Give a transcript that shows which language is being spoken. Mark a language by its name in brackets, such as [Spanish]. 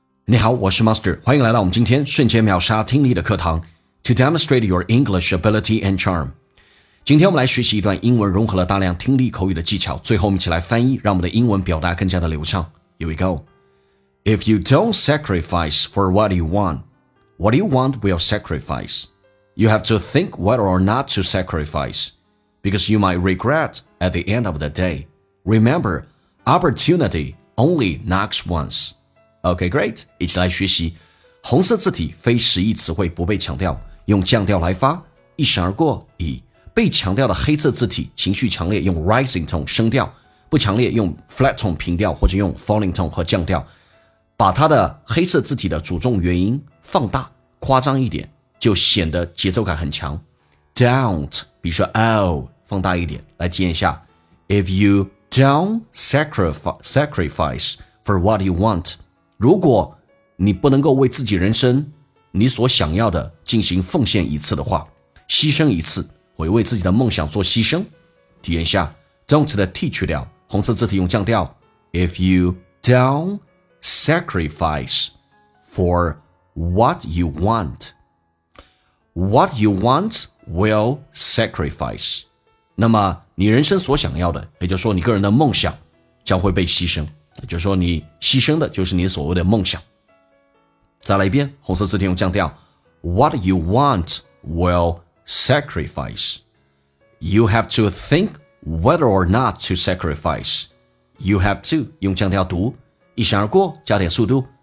[Chinese] 你好，我是 Master， 欢迎来到我们今天瞬间秒杀听力的课堂 [English] To demonstrate your English ability and charm。 [Chinese] 今天我们来学习一段英文融合了大量听力口语的技巧，最后我们一起来翻译，让我们的英文表达更加的流畅。 [English] Here we go. If you don't sacrifice for what you want will sacrifice. You have to think whether or not to sacrifice, because you might regret at the end of the day. Remember, opportunity only knocks once. [Chinese] OK, great, 一起来学习红色字体非实义词汇不被强调，用降调来发，一闪而过，以被强调的黑色字体情绪强烈，用 rising tone 升调，不强烈用 flat tone 平调，或者用 falling tone 和降调，把它的黑色字体的主重元音放大夸张一点，就显得节奏感很强。 Don't, 比如说 oh, 放大一点来体验一下。 [English] If you don't sacrifice for what you want, [Chinese] 如果你不能够为自己人生你所想要的进行奉献一次的话，牺牲一次，会为自己的梦想做牺牲。体验一下 don't 的 t 去掉，红色字体用降调。 [English] If you don't sacrifice for what you want, what you want will sacrifice. [Chinese] 那么你人生所想要的，也就是说你个人的梦想将会被牺牲，就是说你牺牲的就是你所谓的梦想。再来一遍，红色字体用降调。 [English] What you want will sacrifice. You have to think whether or not to sacrifice. You have to [Chinese] 用降调读，一闪而过，加点速度。